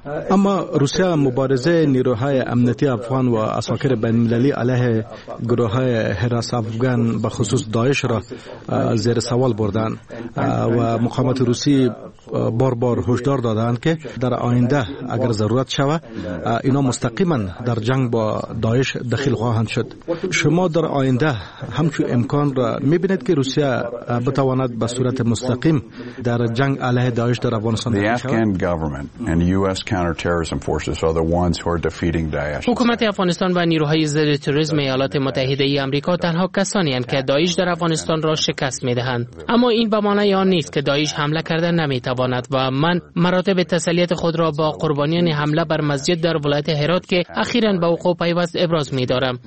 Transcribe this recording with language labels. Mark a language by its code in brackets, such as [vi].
[fa] اما روسیه مبارزه نیروهای امنیتی افغان و عساکر بین‌المللی علیه گروه های حراس افغان به خصوص داعش را زیر سوال بردند و مقامات روسی بار بار هشدار دادند که در آینده اگر ضرورت شود اینا مستقیما در جنگ با داعش دخیل خواهند شد. شما در آینده همچون امکان را میبینید که روسیه بتواند به صورت مستقیم در جنگ علیه داعش در افغانستان شود؟ [en] counterterrorism forces are the ones who are defeating Daesh. [fa] حکومت افغانستان و نیروهای ضد تروریسم ایالات متحده آمریکا تنها کسانی هستند که داعش در افغانستان را شکست می‌دهند. اما این به معنی آن نیست که داعش حمله کردن نمی‌تواند و من مراتب تسلیت خود را با قربانیان حمله بر مسجد در ولایت هرات که اخیراً به وقوع پیوست ابراز می‌دارم.